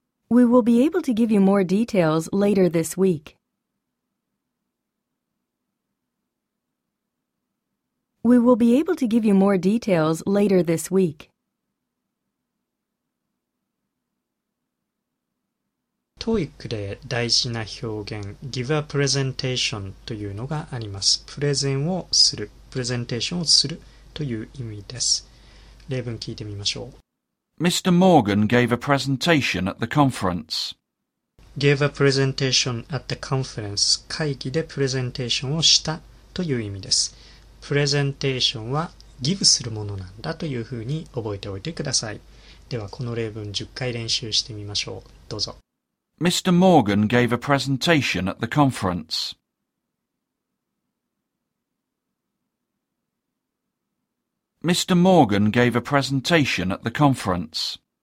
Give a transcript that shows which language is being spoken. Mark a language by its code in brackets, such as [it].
[en] We will be able to give you more details later this week. We will be able to give you more details later this week. [ja] TOEIC で大事な表現 [en] Give a presentation [ja] というのがあります。プレゼンをする、プレゼンテーションをするという意味です。例文聞いてみましょう。 [en] Mr. Morgan gave a presentation at the conference. Gave a presentation at the conference. [ja] 会議でプレゼンテーションをしたという意味です。プレゼンテーションは give するものなんだというふうに覚えておいてください。ではこの例文10回練習してみましょう。どうぞ。 [en] Mr. Morgan gave a presentation at the conference. Mr. Morgan gave a presentation at the conference.